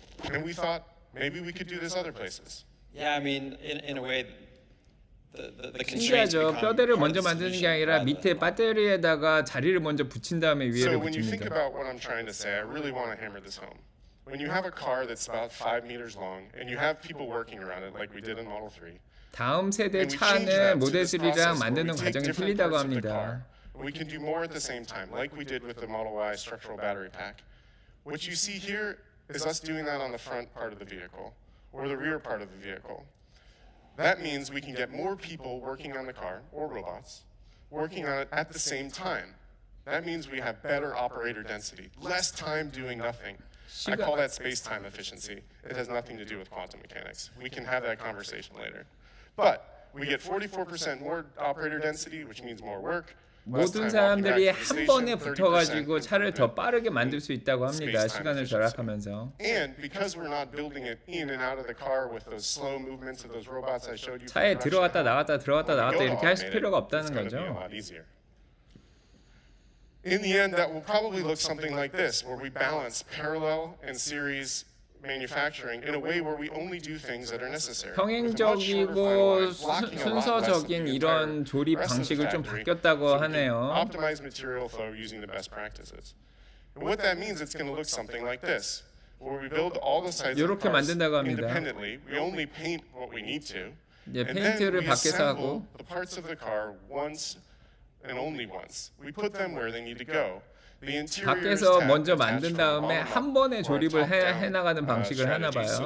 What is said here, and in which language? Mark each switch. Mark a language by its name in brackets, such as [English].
[English] And we thought maybe we could do this other places. Yeah, I mean, in a way, the constraints. [Korean] 신기하죠. 뼈대를 먼저 만드는 게 아니라 밑에 배터리에다가 자리를 먼저 붙인 다음에 위에를 붙입니다. [English] So when you think about what I'm trying to say, I really want to hammer this home. When you have a car that's about 5 meters long and you have people working around it, like we did in Model 3. [Korean] 다음 세대 차는 모델 3랑 만드는 과정이 틀리다고 합니다. [English] We can do more at the same time, like we did with the Model Y structural battery pack. What you see here is us doing that on the front part of the vehicle. Or the rear part of the vehicle. That means we can get more people working on the car, or robots, working on it at the same time. That means we have better operator density, less time doing nothing. I call that space-time efficiency. It has nothing to do with quantum mechanics. We can have that conversation later. But we get 44% more operator density, which means more work. [Korean] 모든 사람들이 한 번에 붙어가지고 차를 더 빠르게 만들 수 있다고 합니다. 시간을 절약하면서. [English] And because we're not building it in and out of the car with those slow movements of those robots I showed you. [Korean] 차에 들어왔다 나왔다 들어왔다 나왔다 이렇게 할 필요가 없다는 거죠. [English] In the end, that will probably look something like this, where we balance parallel and series. Manufacturing in a way where we only do things that are necessary. [Korean] 평행적이고 순서적인 이런 조립 방식을 좀 바뀌었다고 하네요. [English] Optimize material flow using the best practices. What that means, it's going to look something like this, where we build all the sides of the parts independently. We only paint what we need to. [Korean] 예, 페인트를 밖에서 하고. [English] The parts of the car once and only once. We put them where they need to go. [Korean] 밖에서 먼저 만든 다음에 한 번에 조립을 해 나가는 방식을 하나 봐요.